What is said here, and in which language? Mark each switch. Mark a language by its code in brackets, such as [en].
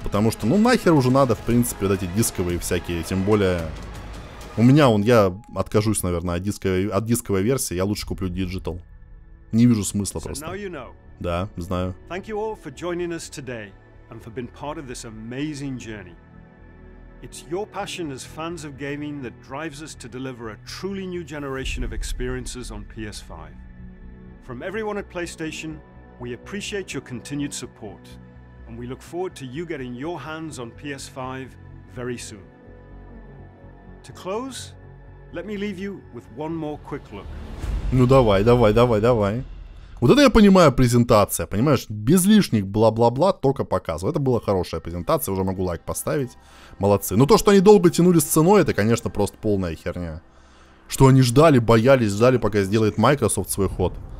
[ru] Потому что, ну нахер уже надо, в принципе, вот эти дисковые всякие. Тем более, у меня он, я откажусь, наверное, от дисковой версии. Я лучше куплю Digital. Не вижу смысла просто. Да, знаю. Спасибо всем, что присоединились к нам сегодня. И за то, что были частью этой удивительной дороги. [en] It's your passion as fans of gaming that drives us to deliver a truly new generation of experiences on PS5. From everyone at PlayStation, we appreciate your continued support, and we look forward to you getting your hands on PS5 very soon. To close, let me leave you with one more quick look. [ru] Ну давай, давай, давай, давай. Вот это я понимаю презентация, понимаешь, без лишних бла-бла-бла, только показываю. Это была хорошая презентация, уже могу лайк поставить. Молодцы. Но то, что они долго тянули с ценой, это, конечно, просто полная херня. Что они ждали, боялись, ждали, пока сделает Microsoft свой ход.